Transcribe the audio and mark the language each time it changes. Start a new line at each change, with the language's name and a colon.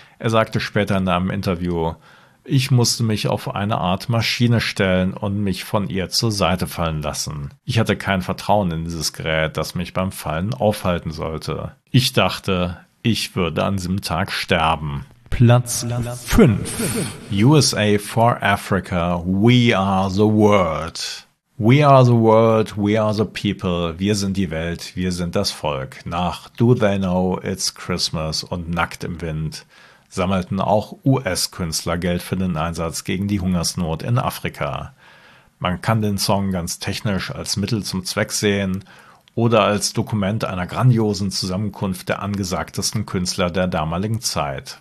German: Er sagte später in einem Interview, ich musste mich auf eine Art Maschine stellen und mich von ihr zur Seite fallen lassen. Ich hatte kein Vertrauen in dieses Gerät, das mich beim Fallen aufhalten sollte. Ich dachte, ich würde an diesem Tag sterben. Platz 5.
English: USA for Africa, we are the world. We are the world, we are the people,
German: wir sind die Welt, wir sind das Volk. Nach Do They Know It's Christmas und Nackt im Wind sammelten auch US-Künstler Geld für den Einsatz gegen die Hungersnot in Afrika. Man kann den Song ganz technisch als Mittel zum Zweck sehen oder als Dokument einer grandiosen Zusammenkunft der angesagtesten Künstler der damaligen Zeit.